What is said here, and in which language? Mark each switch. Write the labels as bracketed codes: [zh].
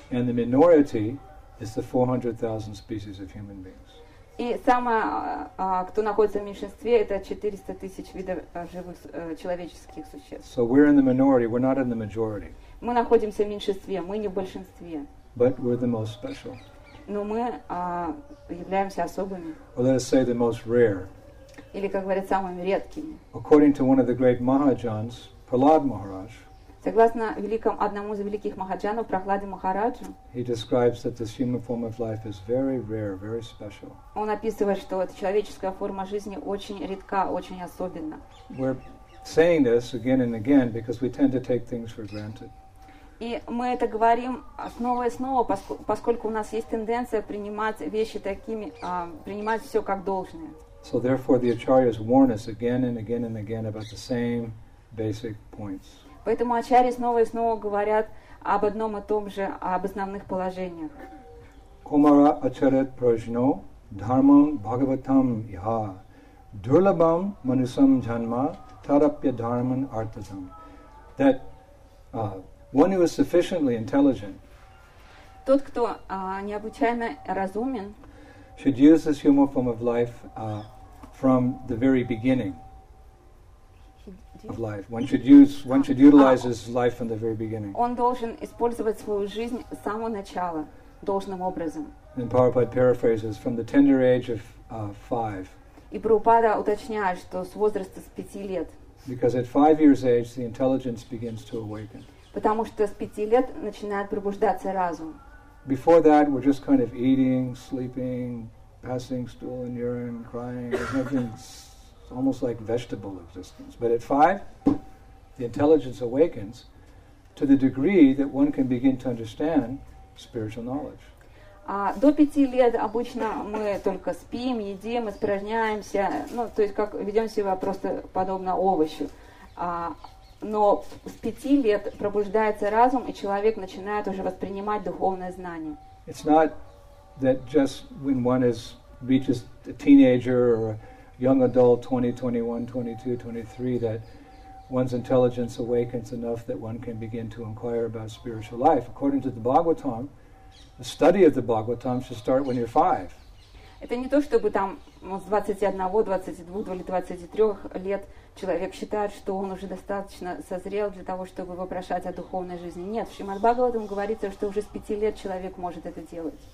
[en] And the minority is the 400,000 species of human beings. [ru] И самое, кто находится в меньшинстве, это 400,000 видов живых человеческих существ. [en] So we're in the minority, we're not in the majority. [ru] Мы находимся в меньшинстве, мы не в большинстве. [en] But we're the most special. [ru] Но мы являемся особыми. [en] Or let us say the most rare. [ru] Или, как говорят, самыми редкими. [en] According to one of the great Mahajans, Prahlad Maharaj. [ru] Согласно одному из великих Махаджанов, Прахладе Махараджу, [en] he describes that this human form of life is very rare, very special. [ru] Он описывает, что эта человеческая форма жизни очень редка, очень особенна. [en] We're saying this again and again because we tend to take things for granted. [ru] И мы это говорим снова и снова, поскольку у нас есть тенденция принимать вещи такими, принимать все как должное. [en] So therefore the acharyas warn us again and again and again about the same basic points. [ru] Поэтому ачарьи снова и снова говорят об одном и том же, об основных положениях. [sa] Кумара ачарет прожно дхармам бхагаватам иха дурлабам манусам джанма тарапья дхарман артатам. [en] That one who is sufficiently intelligent, [ru] тот, кто необычайно разумен, [en] should use this human form of life from the very beginning. Of life, one should utilize his life from the very beginning. [ru] Он должен использовать свою жизнь с самого начала должным образом. [en] And Prabhupada paraphrases from the tender age of five. [ru] И Прабхупада уточняет, что с возраста с 5 лет. [en] Because at 5 years age, the intelligence begins to awaken. [ru] Потому что с 5 лет начинает пробуждаться разум. [en] Before that, we're just kind of eating, sleeping, passing stool and urine, crying. It's almost like vegetable existence. But at 5, the intelligence awakens to the degree that one can begin to understand spiritual knowledge. [ru] А до 5 лет обычно мы только спим, едим, испражняемся, ну, то есть как ведем себя просто подобно овощу. Но с 5 лет пробуждается разум, и человек начинает уже воспринимать духовное знание. [en] It's not that just when one is reaches a teenager or a young adult, 20, 21, 22, 23, that one's intelligence awakens enough that one can begin to inquire about spiritual life. According to the Bhagavatam, the study of the Bhagavatam should start when you're 5. [ru] Это не то, чтобы там с 21, 22 или 23 лет человек считает, что он уже достаточно созрел для того, чтобы вопрошать о духовной жизни. Нет, в Шримад-Бхагаватам говорится, что уже с 5 лет человек может это делать.